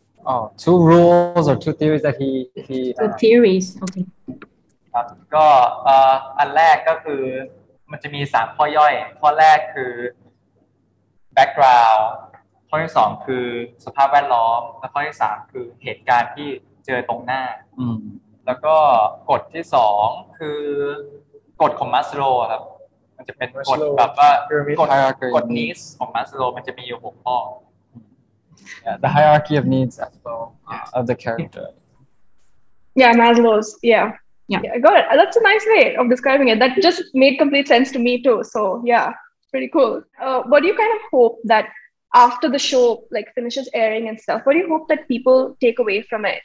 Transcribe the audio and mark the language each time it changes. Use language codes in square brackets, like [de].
[en] oh two rules or two theories that he two theories okay [th] ครับก็อันแรกก็คือมันจะมี3ข้อย่อยข้อแรกคือ background ข้อที่2คือสภาพแวดล้อมและข้อที่3คือเหตุการณ์ที่เจอตรงหน้าแล้วก็กฎที่2คือกฎของมาสโลว์ครับมันจะเป็นกฎแบบว่ากฎ needs ของมาสโลว์มันจะมีอยู่6ข้อ [en] the hierarchy of needs as well of the character yeah maslow's yeah, got it. That's a nice way of describing it. That just made complete sense to me too. So yeah, pretty cool. What do you kind of hope that after the show like finishes airing and stuff, what do you hope that people take away from it?